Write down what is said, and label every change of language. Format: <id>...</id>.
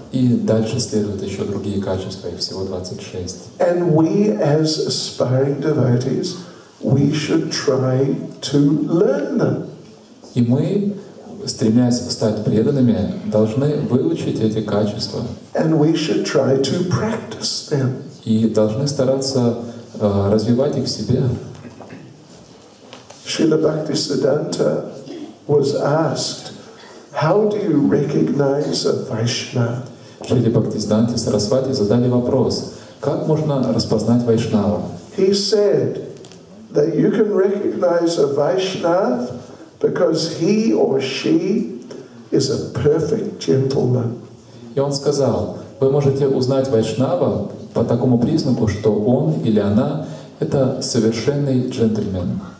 <ru>И дальше следуют еще другие качества, их всего 26.</ru> <en>And we, as aspiring devotees, we should try to learn them.</en> <ru>И мы, стремясь стать преданными, должны выучить эти качества.</ru> <en>And we should try to practice them.</en> <ru>И должны стараться развивать их в себе.</ru> <en>Srila Bhaktisiddhanta was asked, how do you recognize a Vaishnava?</en> <ru>Srila Bhaktisiddhanta Сарасвати задали вопрос, как можно распознать Вайшнава?</ru> <en>He said that you can recognize a Vaishnava because he or she is a perfect gentleman.</en> <ru>И он сказал, вы можете узнать Вайшнава по такому признаку, что он или она — это совершенный джентльмен.</ru>